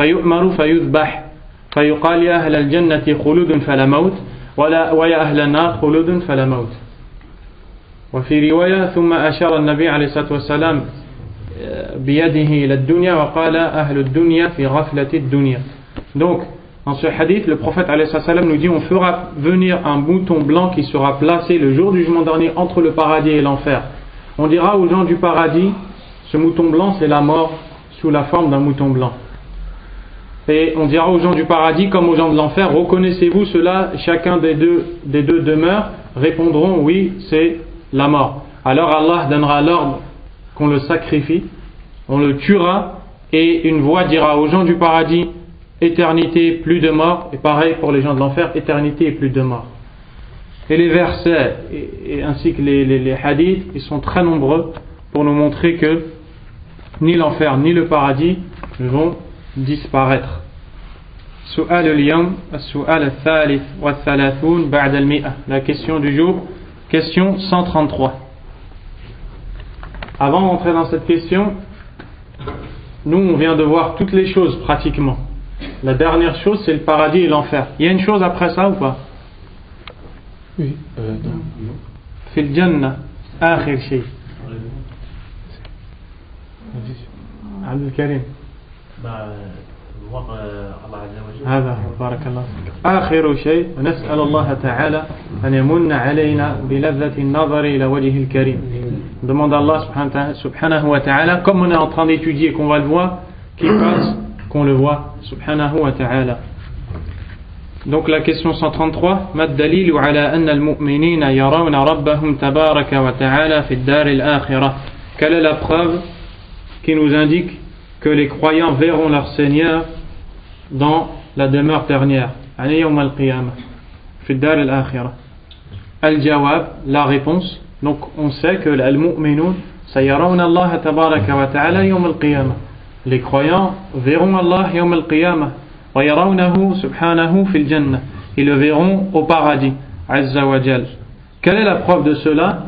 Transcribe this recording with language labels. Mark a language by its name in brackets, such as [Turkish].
[Arabic] فيؤمر فيذبح فيقال يا أهل الجنة خلود فلا موت ولا ويا أهل النار خلود فلا موت. وفي رواية ثم أشار النبي عليه الصلاة والسلام بيده إلى الدنيا وقال أهل الدنيا في غفلة الدنيا. [French] Donc dans ce hadith, le prophète [Arabic] عليه الصلاة والسلام [French] nous dit, on fera venir un bouton blanc qui sera placé le jour du jugement dernier entre le paradis et l'enfer. On dira aux gens du paradis, ce mouton blanc, c'est la mort sous la forme d'un mouton blanc. Et on dira aux gens du paradis comme aux gens de l'enfer, reconnaissez-vous cela, chacun des deux demeures, répondront, oui, c'est la mort. Alors Allah donnera l'ordre qu'on le sacrifie, on le tuera, et une voix dira aux gens du paradis, éternité, plus de mort, et pareil pour les gens de l'enfer, éternité et plus de mort. Et les versets, et ainsi que les hadiths, ils sont très nombreux pour nous montrer que ni l'enfer ni le paradis vont disparaître. [Arabic] سؤال اليوم السؤال الثالث والثلاثون بعد المئة. [French] La question du jour, question 133. Avant d'entrer dans cette question, nous on vient de voir toutes les choses pratiquement. La dernière chose c'est le paradis et l'enfer. Il y a une chose après ça ou pas? Oui. [Arabic] في الجنة آخر شيء. عبد الكريم. هذا بارك الله فيك. آخر شيء نسأل الله تعالى أن يمن علينا بلذة النظر إلى وجه الكريم. [French] demande [Arabic] الله سبحانه وتعالى. [French] comme on est en train d'étudier qu'on va le voir, qui passe, qu'on le voit. [Arabic] سبحانه وتعالى. [French] Donc la question 133, [Arabic] ما الدليل على أن المؤمنين يرون ربهم تبارك وتعالى في الدار الآخرة؟ [French] Quelle est la preuve qui nous indique que les croyants verront leur Seigneur dans la demeure dernière, [Arabic] يعني يوم القيامة في الدار الآخرة؟ الجواب, [French] la réponse. Donc on sait que [Arabic] المؤمنون سيرون الله تبارك وتعالى يوم القيامة. [French] Les croyants verront Allah [Arabic] يوم القيامة. ويرونه سبحانه في الجنة. [French] Ils le verront au paradis. [Arabic] عز وجل. [French] Quelle est la preuve de cela?